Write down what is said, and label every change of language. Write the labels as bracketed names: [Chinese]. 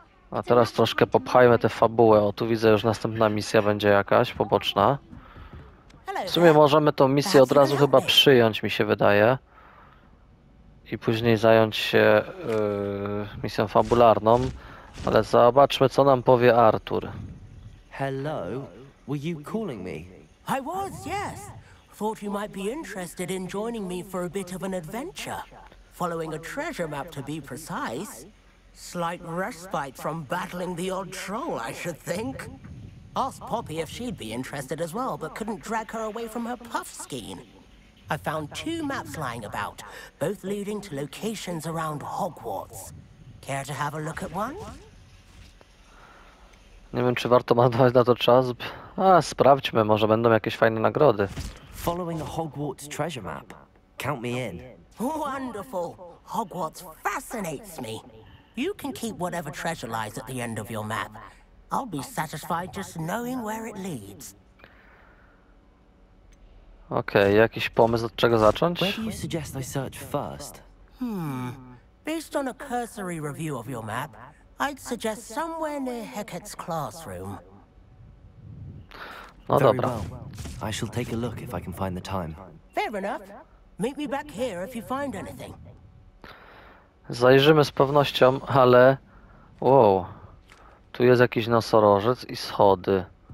[Polish] A teraz troszkę popchajmy tę fabułę. O, tu widzę, już następna misja będzie jakaś poboczna. W sumie możemy tą misję od razu chyba przyjąć, mi się wydaje. I później zająć się misją fabularną. Ale zobaczmy, co nam powie Artur. [English] Hello, were you calling me? I was, yes. Thought you might be interested in joining me for a bit of an adventure. Following a treasure map to be precise. Slight respite from battling the odd troll, I should think. Asked Poppy if she'd be interested as well, but couldn't drag her away from her puff skein. I found two maps lying about, both leading to locations around Hogwarts. Care to have a look at one? [Polish] Nie wiem, czy warto marnować na to czas. A, sprawdźmy, może będą jakieś fajne nagrody. [English] Following a Hogwarts treasure map. Count me in. Wonderful! Hogwarts fascinates me. You can keep whatever treasure lies at the end of your map. I'll be satisfied just knowing where it leads. [Polish] Okej, jakiś pomysł, od czego [English] Where do you suggest I search first? Based on a cursory review of your map, I'd suggest somewhere near Hecate's classroom. [Polish] No [English] Very [Polish] dobra. [English] well. I shall take a look if I can find the time. Fair enough. Meet me back here if you find anything. [Polish] Zajrzymy z pewnością, ale... Wow. Tu jest jakiś nosorożec i schody.